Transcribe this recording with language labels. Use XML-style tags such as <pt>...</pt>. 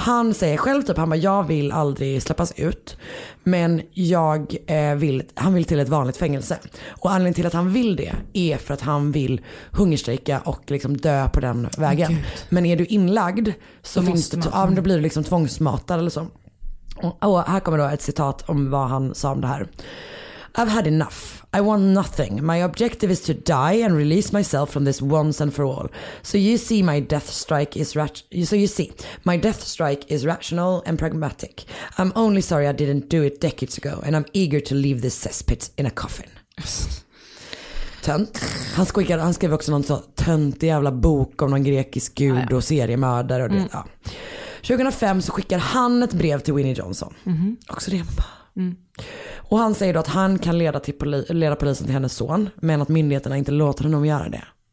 <sv>han säger själv typ, han bara, jag vill aldrig släppas ut, men jag vill, han vill till ett vanligt fängelse. Och anledningen till att han vill det är för att han vill hungerstrejka och liksom dö på den vägen. Oh, men är du inlagd så då finns det, ja, då blir du liksom tvångsmatad eller så. Och här kommer då ett citat om vad han sa om det här.</sv> <en>I've had enough. I want nothing. My objective is to die and release myself from this once and for all. So you see my death strike is my death strike is rational and pragmatic. I'm only sorry I didn't do it decades ago and I'm eager to leave this cesspit in a coffin.</en> <sv>Tönt. Han skrev också någon så tönt jävla bok om någon grekisk gud och seriemördare och det. Mm. Ja. 2005 så skickar han ett brev till Winnie Johnson. Mm-hmm. Också det. Och han säger då att han kan leda polisen till hennes son, men att myndigheterna inte låter honom göra det.</sv>